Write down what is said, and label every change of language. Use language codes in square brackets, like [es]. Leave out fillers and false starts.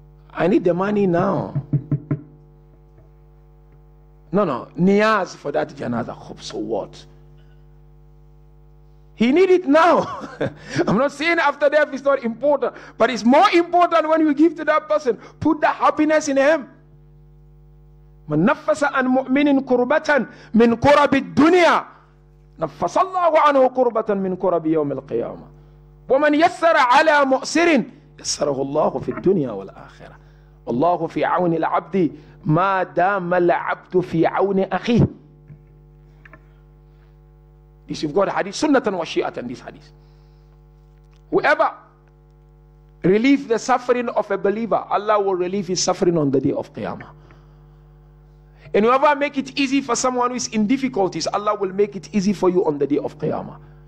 [en] I need the money now. No, niyaz for that janazah. Hope so what? He need it now. I'm not saying after death is not important, but it's more important when you give to that person. Put the happiness in him. [ar] من نفس عن مؤمن كربة من كرب الدنيا نفس الله عنه كربة من كرب يوم القيامة ومن يسر على مؤسر يسره الله في الدنيا والآخرة والله في عون العبد ما دام العبد في عون أخيه. [en] This you've got hadith, sunnatan wa shi'atan, this hadith. Whoever relieve the suffering of a believer, Allah will relieve his suffering on the day of Qiyamah. And whoever make it easy for someone who is in difficulties, Allah will make it easy for you on the day of Qiyamah.